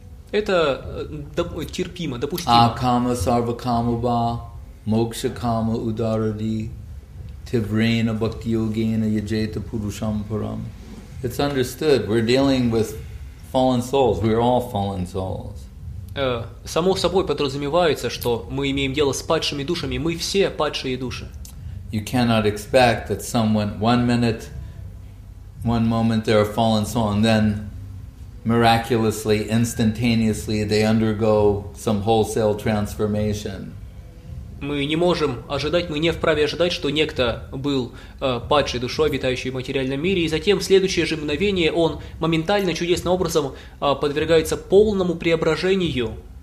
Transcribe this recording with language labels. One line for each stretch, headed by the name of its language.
Russian: Это терпимо, допустимо.
Sanskrit: Акама сарвакамуба мокшакама ударади Tivrena bhakti yogena yajeta purusham param.
English: It's understood. We're dealing with fallen souls. We're all fallen souls.
Russian: Само собой подразумевается, что мы имеем дело с падшими душами. Мы все падшие души. You cannot expect that someone one moment they're a fallen soul, and then miraculously, instantaneously, they undergo some wholesale transformation. Мы не можем ожидать, мы не вправе ожидать, что некто был падшей душой, обитающей в материальном мире, и затем в следующее же мгновение он моментально, чудесным образом подвергается полному преображению.